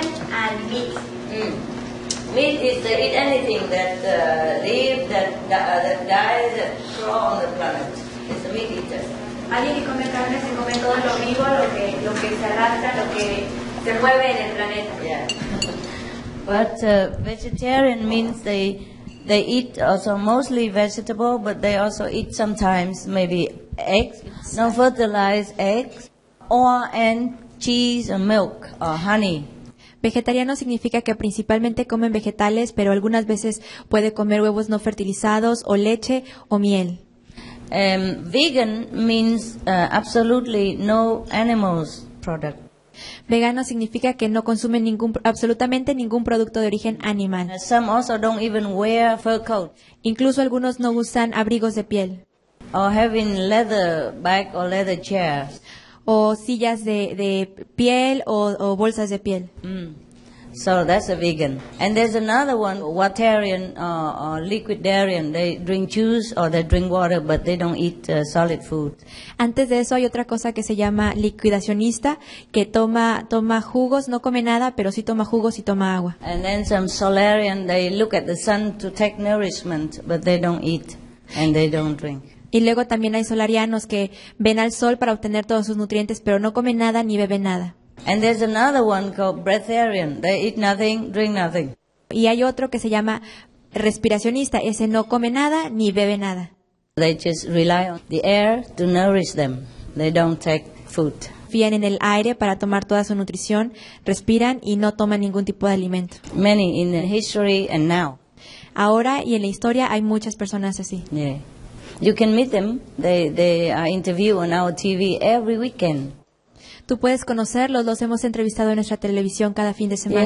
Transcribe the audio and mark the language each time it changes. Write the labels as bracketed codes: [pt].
[en] Meat is to eat anything that live, that dies, that grow on the planet. It's a meat eater. [es] Alguien que come carne se come todo lo vivo, lo que se arrastra, lo que se mueve en el planeta. [en] Yeah. But vegetarian means they eat also mostly vegetable, but they also eat sometimes maybe eggs, non-fertilized eggs, or and cheese or milk or honey. [es] Vegetariano significa que principalmente comen vegetales, pero algunas veces puede comer huevos no fertilizados o leche o miel. [en] Vegan means absolutely no animals product. [es] Vegano significa que no consume absolutamente ningún producto de origen animal. [en] Some also don't even wear fur coat. [es] Incluso algunos no usan abrigos de piel. [en] Or having leather bag or leather chairs. [es] O sillas de piel o bolsas de piel. [en] So that's a vegan. And there's another one, waterian or liquidarian. They drink juice or they drink water, but they don't eat solid food. [es] Antes de eso hay otra cosa que se llama liquidacionista, que toma jugos, no come nada, pero sí toma jugos y toma agua. [en] And then some solarian, they look at the sun to take nourishment, but they don't eat and they don't drink. [es] Y luego también hay solarianos que ven al sol para obtener todos sus nutrientes, pero no comen nada ni beben nada. [en] And there's another one called breatharian. They eat nothing, drink nothing. [es] Y hay otro que se llama respiracionista. Ese no come nada ni bebe nada. [en] They just rely on the air to nourish them. They don't take food. [es] Confían en el aire para tomar toda su nutrición, respiran y no toman ningún tipo de alimento. [en] Many in the history and now. [es] Ahora y en la historia hay muchas personas así. [en] Yeah. You can meet them. They are interviewed on our TV every weekend. [es] Tú puedes conocerlos, los hemos entrevistado en nuestra televisión cada fin de semana.